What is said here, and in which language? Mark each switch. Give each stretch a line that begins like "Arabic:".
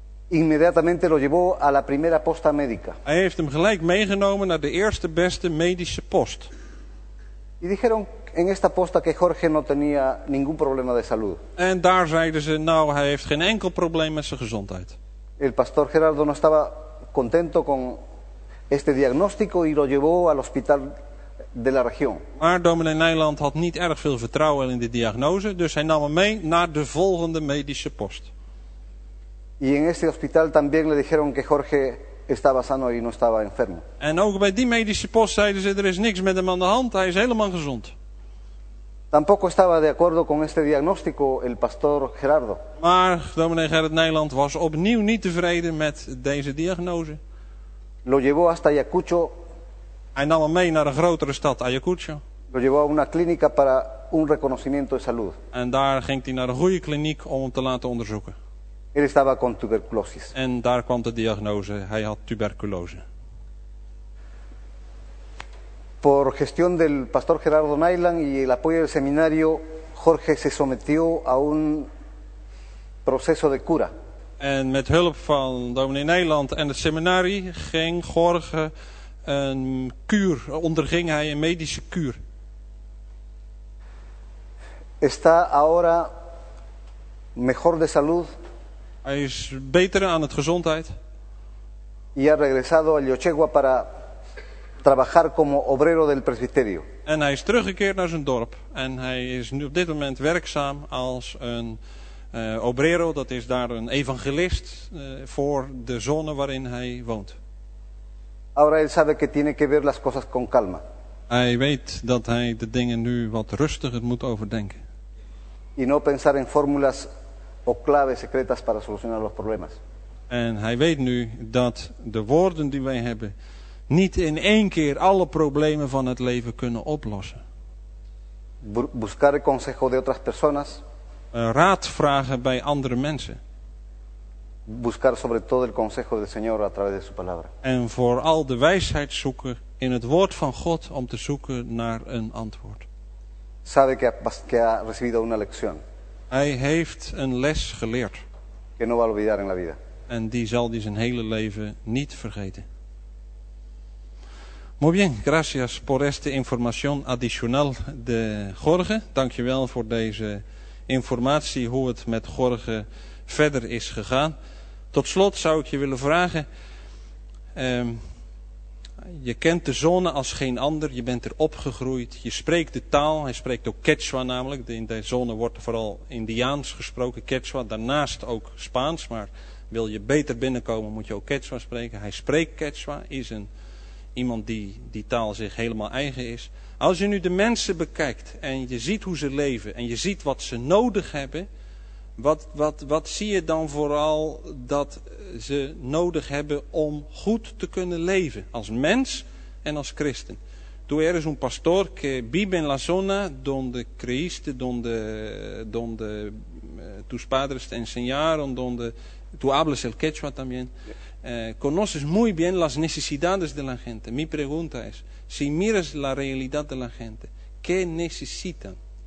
Spanish: Inmediatamente lo llevó a la primera posta médica.
Dutch: Hij heeft hem gelijk meegenomen naar de eerste beste medische post.
Spanish: Y dijeron en esta posta que Jorge no tenía ningún problema de salud.
Dutch: En daar zeiden ze, nou, hij heeft geen enkel probleem met zijn gezondheid.
Spanish: El pastor Gerardo no estaba contento con este diagnóstico y lo llevó al hospital de la región.
Dutch: Maar dominee Nijland had niet erg veel vertrouwen in de diagnose, dus hij nam hem mee naar de volgende medische post.
Spanish: Y en este hospital también le dijeron que Jorge estaba sano y no estaba enfermo.
Dutch: En ook bij die medische post zeiden ze, er is niks met hem aan de hand, hij is helemaal gezond.
Spanish: Tampoco estaba de acuerdo con este diagnóstico el pastor Gerardo.
Dutch: Maar dominee Gerard Nijland was opnieuw niet tevreden met deze diagnose.
Spanish: Lo llevó hasta Ayacucho.
Dutch: Hij nam hem mee naar een grotere stad, Ayacucho.
Spanish: Lo llevó a una clínica para un reconocimiento de salud.
Dutch: En daar ging hij naar een goede kliniek om hem te laten onderzoeken.
Spanish: Él estaba con tuberculosis.
Dutch: En daar kwam de diagnose, hij had tuberculose.
Spanish: Por gestión del pastor Gerardo Nailan y el apoyo del seminario, Jorge se sometió a un proceso de cura.
Dutch: En met hulp van dominee Nijland en het seminarie ging Jorge een kuur, onderging hij een medische kuur.
Spanish: Está ahora mejor de salud.
Dutch: Hij is beter aan het gezondheid.
Spanish: Y ha regresado a Yochegua para trabajar como obrero del presbiterio.
Dutch: En hij is teruggekeerd naar zijn dorp en hij is nu op dit moment werkzaam als een obrero, dat is daar een evangelist voor de zone waarin hij woont.
Spanish: Ahora él sabe que tiene que ver las cosas con calma.
Dutch: Hij weet dat hij de dingen nu wat rustiger moet overdenken.
Spanish: Y no pensar en fórmulas o claves secretas para solucionar los problemas.
Dutch: En hij weet nu dat de woorden die wij hebben niet in één keer alle problemen van het leven kunnen oplossen.
Spanish: Buscar el consejo de otras personas.
Dutch: Raad vragen bij andere mensen.
Spanish: Buscar sobre todo el consejo del Señor a través de su palabra.
Dutch: En vooral de wijsheid zoeken in het woord van God om te zoeken naar een antwoord.
Spanish: Sabe que ha recibido una lección.
Dutch: Hij heeft een les geleerd.
Spanish: Que no va a olvidar en la vida.
Dutch: En die zal hij zijn hele leven niet vergeten.
Spanish: Muy bien, gracias por esta información adicional de Jorge.
Dutch: Dankjewel voor deze informatie hoe het met Jorge verder is gegaan. Tot slot zou ik je willen vragen. Je kent de zone als geen ander. Je bent er opgegroeid. Je spreekt de taal. Hij spreekt ook Quechua namelijk. In de zone wordt vooral Indiaans gesproken. Quechua. Daarnaast ook Spaans. Maar wil je beter binnenkomen moet je ook Quechua spreken. Hij spreekt Quechua. Is een iemand die die taal zich helemaal eigen is. Als je nu de mensen bekijkt. En je ziet hoe ze leven. En je ziet wat ze nodig hebben. Wat zie je dan vooral dat ze nodig hebben om goed te kunnen leven als mens en als christen?
Spanish: Tú eres un pastor que vive en la zona donde creíste, donde tus padres te enseñaron, donde tú hablas el quechua también. Conoces muy bien las necesidades de la gente. Mi pregunta es, si miras la realidad de la gente, ¿qué necesitan?